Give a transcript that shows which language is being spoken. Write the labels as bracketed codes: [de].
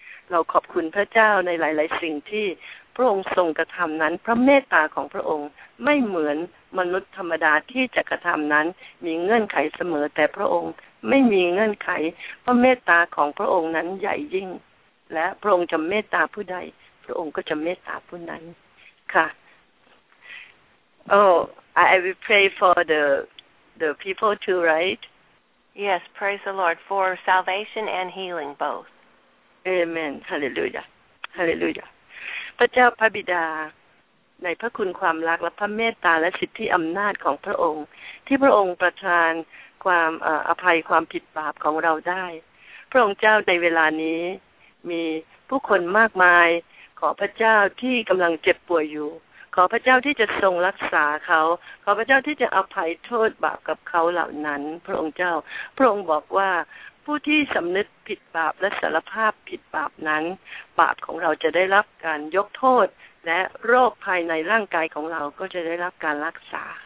[th] เราขอบคุณพระเจ้าในหลายๆสิ่งที่พระองค์ทรงกระทำนั้นพระเมตตาของพระองค์ไม่เหมือนมนุษย์ธรรมดาที่จะกระทำนั้นมีเงื่อนไขเสมอแต่พระองค์ไม่มีเงื่อนไขพระเมตตาของพระองค์นั้นใหญ่ยิ่งและพระองค์จะเมตตาผู้ใดพระองค์ก็จะเมตตาผู้นั้นค่ะ [en] Oh, I will pray for the people too, right? Yes, praise the Lord for salvation and healing both. Amen. Hallelujah. Hallelujah. [th] พระเจ้าพระบิดาในพระคุณความรักและพระเมตตาและสิทธิอำนาจของพระองค์ที่พระองค์ประทานความอภัยความผิดบาปของเราได้พระองค์เจ้าในเวลานี้ มีผู้คนมากมายขอพระเจ้าที่กำลังเจ็บป่วยอยู่ขอพระเจ้าที่จะทรงรักษาเขาขอพระเจ้าที่จะอภัยโทษบาปกับเขาเหล่านั้นพระองค์เจ้าพระองค์บอกว่าผู้ที่สำนึกผิดบาปและสารภาพผิดบาปนั้นบาปของเราจะได้รับการยกโทษและโรคภายในร่างกายของเราก็จะได้รับการรักษา